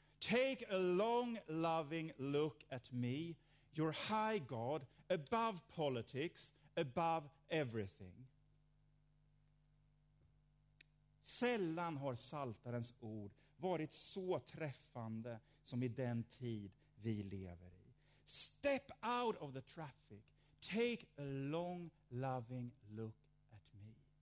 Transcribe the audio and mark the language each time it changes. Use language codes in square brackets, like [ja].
[en] Take a long, loving look at me, your high God, above politics, above everything. [sv] Sällan har saltarens ord varit så träffande som i den tid vi lever i. [en] Step out of the traffic. Take a long, loving look at me.